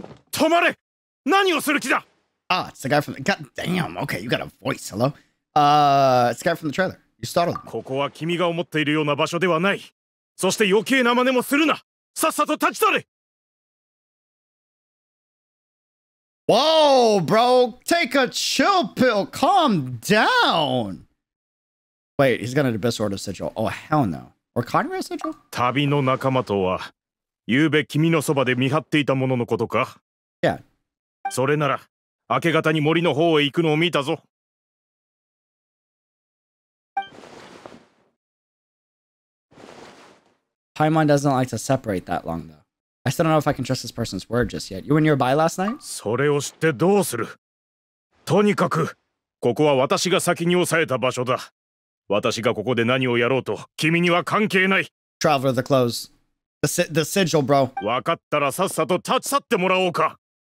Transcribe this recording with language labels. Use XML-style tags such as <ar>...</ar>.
<ja>Tomare! 何をする気だ?</ja> <en>Ah, it's the guy from the... God damn, okay, you got a voice, hello? It's the guy from the trailer. You startled me.</en> <ja>ここは君が思っているような場所ではない。そして余計な真似もするな。さっさと立ち去れ!</ja> <en>Whoa, bro! Take a chill pill! Calm down! Wait, he's gonna do best order sigil. Oh, hell no. Or Conrad sigil?</en> <ja>旅の仲間とは、ゆうべ君のそばで見張っていた者のことか?</ja> <en>Yeah.</en> <ja>それなら、明け方に森の方へ行くのを見たぞ。</ja> <en>Paimon doesn't like to separate that long, though. I still don't know if I can trust this person's word just yet. You were nearby last night?</en> <ja>それを知ってどうする?とにかく、ここは私が先に押さえた場所だ。私がここで何をやろうと、君には関係ない。</ja> <en>Traveler, the clothes. The sigil, bro.</en> <ja>わかったらさっさと立ち去ってもらおうか。</ja>